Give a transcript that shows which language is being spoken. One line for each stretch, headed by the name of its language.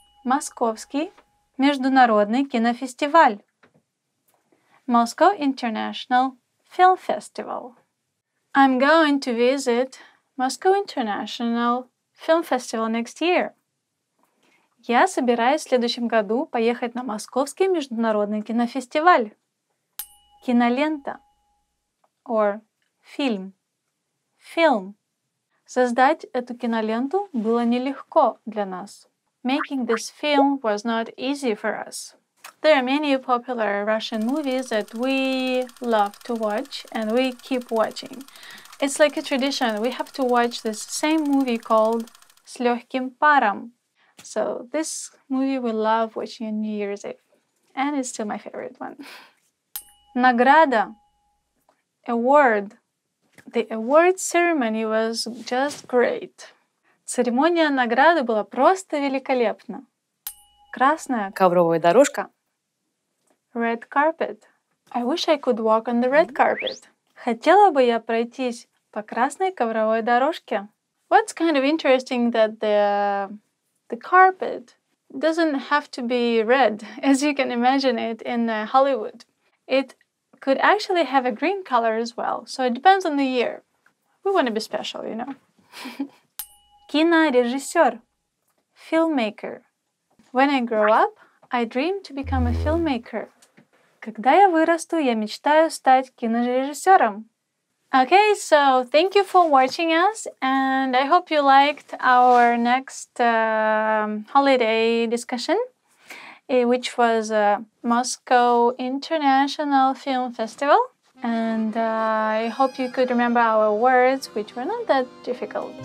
Russian: Московский международный кинофестиваль.
English: Moscow International Film Festival. I'm going to visit Moscow International Film Festival next year.
Russian: Я собираюсь в следующем году поехать на Московский международный кинофестиваль. Кинолента.
English: Or
Russian: фильм. Film. Создать эту киноленту было нелегко для нас.
English: Making this film was not easy for us. There are many popular Russian movies that we love to watch and we keep watching. It's like a tradition. We have to watch this same movie called «С легким паром». So this movie we love watching on New Year's Eve. And it's still my favorite one. Награда. Award. The award ceremony was just great.
Russian: Церемония награды была просто великолепна. Красная ковровая дорожка.
English: Red carpet. I wish I could walk on the red carpet.
Russian: Хотела бы я пройтись по красной ковровой дорожке.
English: What's kind of interesting that the carpet doesn't have to be red, as you can imagine it in Hollywood. It could actually have a green color as well. So it depends on the year. We want to be special, you know.
Russian: Кинорежиссер.
English: Filmmaker. When I grow up, I dream to become a filmmaker.
Russian: Когда я вырасту, я мечтаю стать кинорежиссером.
English: Okay, so thank you for watching us. And I hope you liked our next holiday discussion, which was Moscow International Film Festival. And I hope you could remember our words, which were not that difficult.